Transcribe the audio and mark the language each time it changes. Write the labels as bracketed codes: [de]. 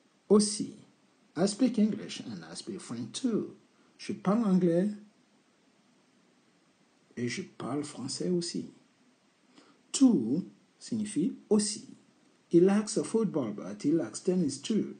[en] Aussi, I speak English and I speak French too. [fr] Je parle anglais et je parle français aussi. Tout signifie aussi. [en] He likes football, but he likes tennis too.